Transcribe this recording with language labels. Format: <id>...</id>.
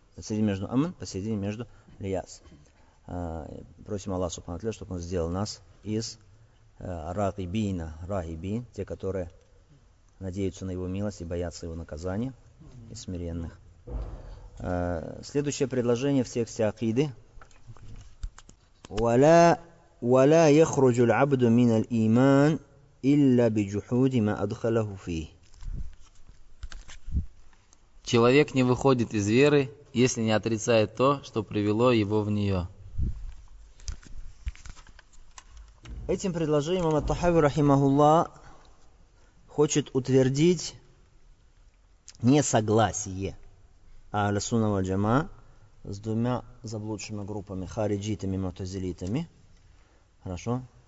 <ru>Посередине между аман, посередине между лияс. Просим Аллаха Субхану Ва Тааля, чтобы Он сделал нас из рагибина, рагибин, те, которые надеются на Его милость и боятся Его наказания, и смиренных. Следующее предложение в тексте акиды. Валя...</ru> <ar>ولا يخرج العبد من الإيمان إلا بجحود ما أدخله فيه.</ar> <ru>Человек не выходит из веры, если не отрицает то, что привело его в нее. Этим предложением ат-Тахави рахимахуллах хочет утвердить несогласие Ахль-Сунна валь-Джамаа с двумя заблудшими группами, хариджитами и мутазилитами. Хорошо.</ru>